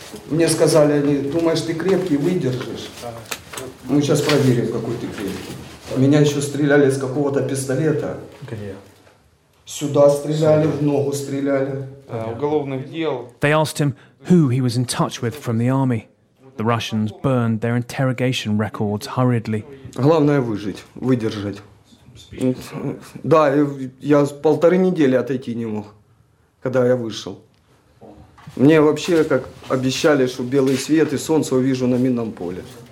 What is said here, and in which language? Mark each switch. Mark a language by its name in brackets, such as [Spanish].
[Russian] Мне сказали, они, думаешь, ты крепкий, выдержишь? Мы сейчас проверим, какой ты крепкий. Меня еще стреляли из какого-то пистолета. Сюда стреляли, в ногу стреляли. Уголовных дел. [English] They asked him who he was in touch with from the army. The Russians burned their interrogation records hurriedly. [Russian] Главное выжить, выдержать. Да, я полторы недели отойти не мог, когда я вышел. Мне вообще, как обещали, что белый свет и солнце увижу на минном поле.